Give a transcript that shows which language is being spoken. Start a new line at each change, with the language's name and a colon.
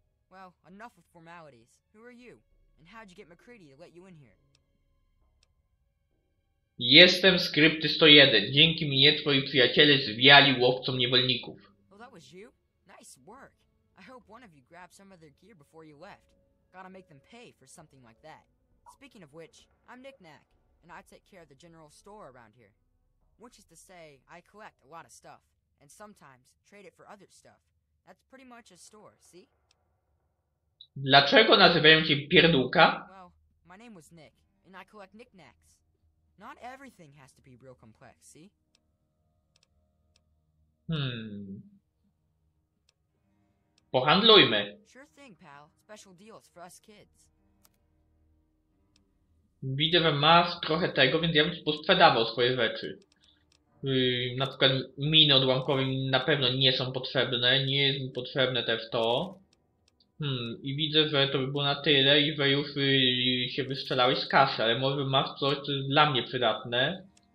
English: Well, enough of formalities. Who are you? And how'd you get MacCready to let you in here?
Polish: Jestem Skrypty 101. Dzięki mnie twoi przyjaciele zwiali łowcom niewolników.
English: Well, that was you? Nice work. I hope one of you grabbed some of their gear before you left. Gotta make them pay for something like that. Speaking of which, I'm Nick Knack, and I take care of the general store around here. Which is to say, I collect a lot of stuff, and sometimes trade it for other stuff. That's pretty much a store, see?
Polish: Dlaczego nazywają cię pierdółka?
English: Well, my name was Nick, and I collect knickknacks. Not everything has to be real complex, see?
Polish: Pohandlujmy.
English: Sure thing, pal. Special deals for us kids.
Polish: Widzę, że masz trochę tego, więc ja bym posprzedawał swoje rzeczy. Na przykład miny odłamkowe na pewno nie są potrzebne. Nie jest mi potrzebne też to. I widzę, że to by było na tyle i że już się wystrzelałeś z kasy, ale może masz coś, co jest dla mnie przydatne.